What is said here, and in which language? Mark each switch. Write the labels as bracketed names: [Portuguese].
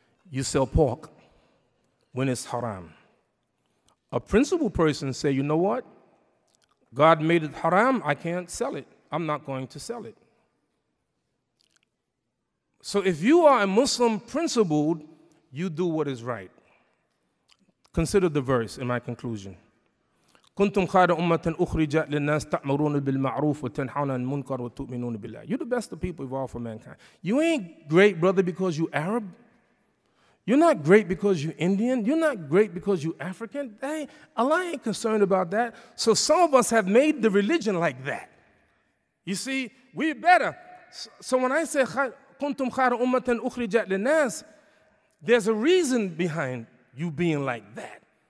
[English] You sell pork when it's haram. A principled person say, you know what? God made it haram. I can't sell it. I'm not going to sell it. So if you are a Muslim principled, you do what is right. Consider the verse in my conclusion. [Arabic] كنتم خير أمة أخرجت للناس تأمرون بالمعروف وتنهون عن المنكر وتؤمنون بالله. [English] You're the best of people of all for mankind. You ain't great, brother, because you Arab. You're not great because you Indian. You're not great because you African. Hey, Allah ain't concerned about that. So some of us have made the religion like that. You see, we're better. So when I say [Arabic] كنتم خير أمة أخرجت للناس, [English] there's a reason behind you being like that.